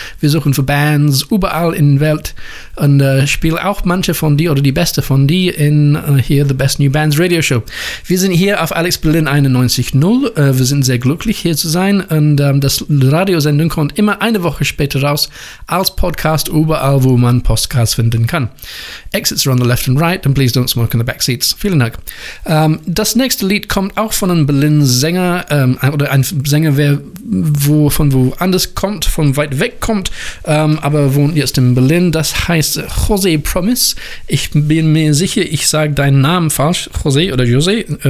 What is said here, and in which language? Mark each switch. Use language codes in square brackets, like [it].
[de] Wir suchen für Bands überall in der Welt und spielen auch manche von die oder die beste von die in hier The Best New Bands Radio Show. Wir sind hier auf Alex Berlin 91.0. Wir sind sehr glücklich, hier zu sein. Und das Radiosendung kommt immer eine Woche später raus als Podcast überall, wo man Podcasts finden kann. [en] Exits are on the left and right and please don't smoke in the back seats. [de] Vielen Dank. Das nächste Lied kommt auch von einem Berlin-Sänger oder ein Sänger, wer wo, von wo anders kommt, von weit weg kommt, aber wohnt jetzt in Berlin. Das heißt José Promise. Ich bin mir sicher, ich sage deinen Namen falsch, José oder José.